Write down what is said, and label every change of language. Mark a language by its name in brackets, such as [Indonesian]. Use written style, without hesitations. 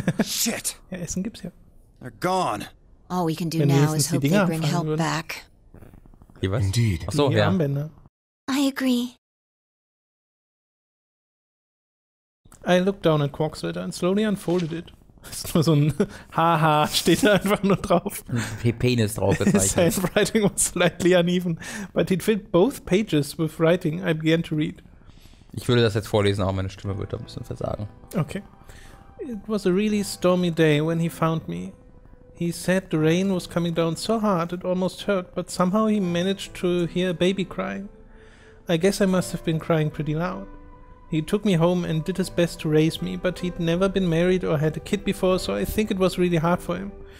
[English] Shit! [German] Ja, Essen gibt's ja. [English] They're gone. All we can do now is hope they bring help back. [German] Wie was? [English] Indeed. [German] Achso, ja. Armbänder. [English] I agree. I looked down at Quark's letter and slowly unfolded it. [German] Ist nur so ein Haha, steht da einfach nur drauf. Ein Penis drauf gezeichnet. [English] His handwriting was slightly uneven, but it fit both pages with writing I began to read. [German] Ich würde das jetzt vorlesen, aber meine Stimme würde da ein bisschen versagen. Okay. [English] It was a really stormy day when he found me. He said the rain was coming down so hard it almost hurt, but somehow he managed to hear a baby crying. I guess I must have been crying pretty loud. He took me home and did his best to raise me, but he'd never been married or had a kid before, so I think it was really hard for him.